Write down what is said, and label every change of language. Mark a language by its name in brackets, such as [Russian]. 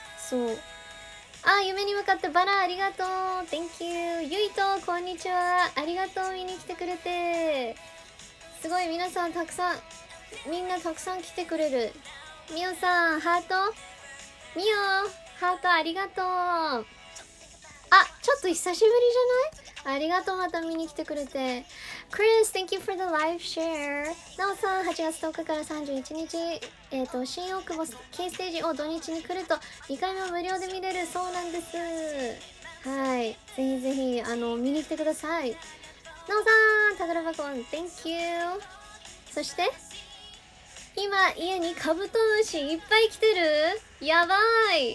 [Japanese] そう、あ、夢に向かってバラありがとう。 [English] Thank you [Japanese] ゆいと、こんにちは、ありがとう、見に来てくれて。すごい、みんなたくさん来てくれる。みおさん、ハート、みお、ハートありがとう。あ、ちょっと久しぶりじゃない？ありがとう、また見に来てくれて。 [English] クリス、Thank you for the live share。 [Japanese] なおさん、8月10日から31日、新大久保 K ステージを土日に来ると、2回目無料で見れるそうなんです。はい、ぜひぜひ、見に来てください。なおさん、宝箱、 [English] Thank you。 [Japanese] そして、今家にカブトムシいっぱい来てる？やばい。